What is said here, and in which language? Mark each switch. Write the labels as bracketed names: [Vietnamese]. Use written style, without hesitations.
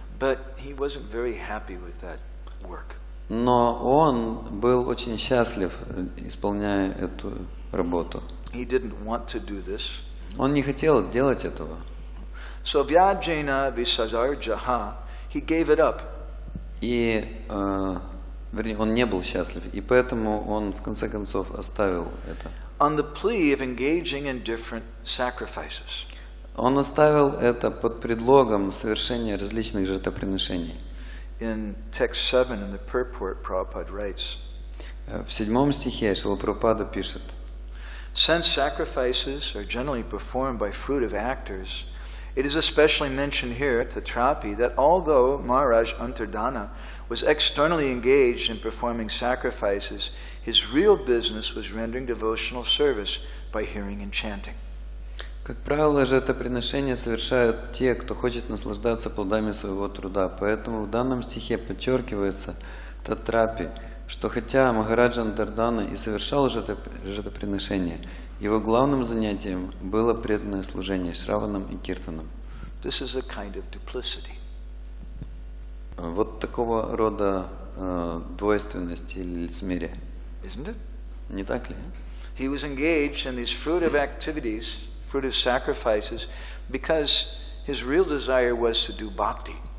[English] But he wasn't very happy with that work. [Russian] Но он был очень счастлив, исполняя эту работу. [English] He didn't want to do this. [Russian] Он не хотел делать этого. [English] So [Sanskrit] vyajena visajar jaha, [English] he gave it up. [Russian] И вернее, он не был счастлив, и поэтому он в конце концов оставил это. [English] On the plea of engaging in different sacrifices. [Russian] Он оставил это под предлогом совершения различных жертвоприношений. [English] In text 7 in the purport, Prabhupada writes. [Russian] В седьмом стихе Шрила Прабхупада пишет. [English] Since sacrifices are generally performed by fruitive actors, it is especially mentioned here at the Trapi that although Maharaj Antardhana was externally engaged in performing sacrifices, his real business was rendering devotional service by hearing and chanting. [Russian] Как правило, жертвоприношения совершают те, кто хочет наслаждаться плодами своего труда. Поэтому в данном стихе подчеркивается Татрапи, что хотя Махарадж Антардана и совершал жертвоприношения, его главным занятием было преданное служение Шраванам и Киртанам. [English] This is a kind of duplicity. [Russian] Вот такого рода двойственность или лицемерие. [English] Isn't it? [Russian] Не так ли? [English] He was engaged in these fruitive activities, fruitive sacrifices, because his real desire was to do bhakti.